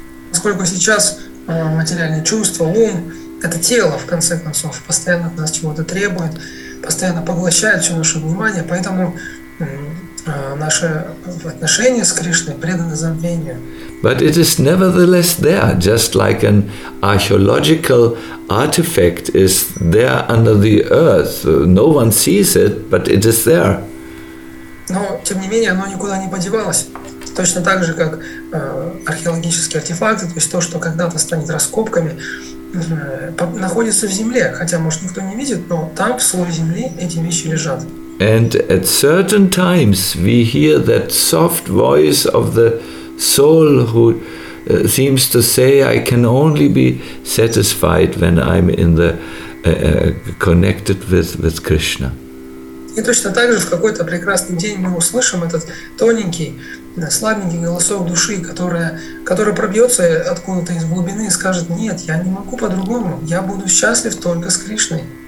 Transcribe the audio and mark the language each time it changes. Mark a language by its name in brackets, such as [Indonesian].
[Russian] Поскольку сейчас материальные чувства, ум, это тело, в конце концов, постоянно от нас чего-то требует, постоянно поглощает все наше внимание, поэтому наши отношения с Кришной преданы забвению. [English] But it is nevertheless there, just like an archaeological artifact is there under the earth. No one sees it, but it is there. [Russian] Но, тем не менее, оно никуда не подевалось. Точно так же, как археологические артефакты, то есть то, что когда-то станет раскопками, находится в земле, хотя, может, никто не видит, но там, в слое земли, эти вещи лежат. [English] And at certain times we hear that soft voice of the soul who seems to say, I can only be satisfied when I'm in the connected with Krishna. [Russian] И точно так же в какой-то прекрасный день мы услышим этот тоненький, слабенький голосок души, который пробьется откуда-то из глубины и скажет, нет, я не могу по-другому, я буду счастлив только с Кришной.